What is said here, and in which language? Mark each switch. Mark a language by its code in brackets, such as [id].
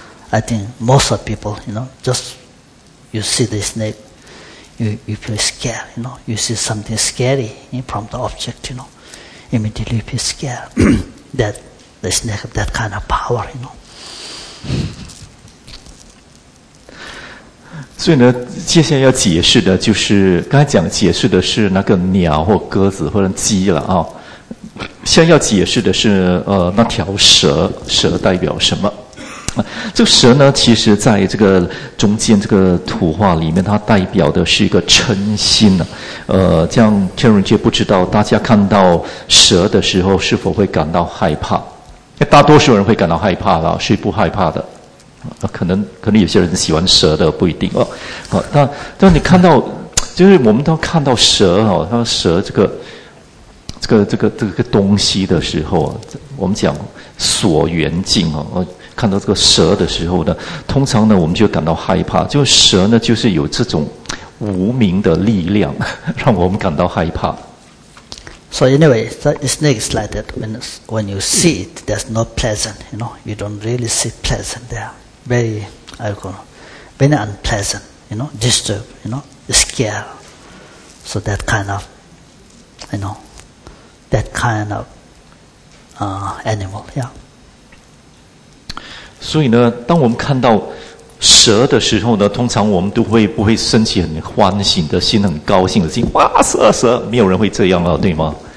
[en] I think most of people, you know, just you see the snake, you feel scared, you know, you see something scary from the object, you know, immediately you feel scared that the snake have that kind of power, you know. [zh] 所以呢，接下来要解释的就是刚才讲解释的是那个鸟或鸽子或者鸡了啊。现在要解释的是那条蛇代表什么？这个蛇呢，其实在这个中间这个图画里面，它代表的是一个嗔心呢、啊。这样天人界不知道大家看到蛇的时候是否会感到害怕？大多数人会感到害怕了，是不害怕的。可能有些人喜欢蛇的，不一定哦。但你看到，就是我们都看到蛇哦，那蛇这个东西的时候啊，我们讲锁缘境哦。看到这个蛇的时候呢，通常呢我们就感到害怕，就蛇呢就是有这种无名的力量让我们感到害怕。 [en] So anyway, the snake is like that. When you see it, there's no pleasant, you know, you don't really see pleasant there. Very, I call it, very unpleasant, you know, disturb, you know, scare. So that kind of, you know, that kind of animal, yeah. [zh] 所以呢，当我们看到蛇的时候呢，通常我们都会不会升起很欢喜的心，很高兴的心，哇，蛇，没有人会这样啊，对吗？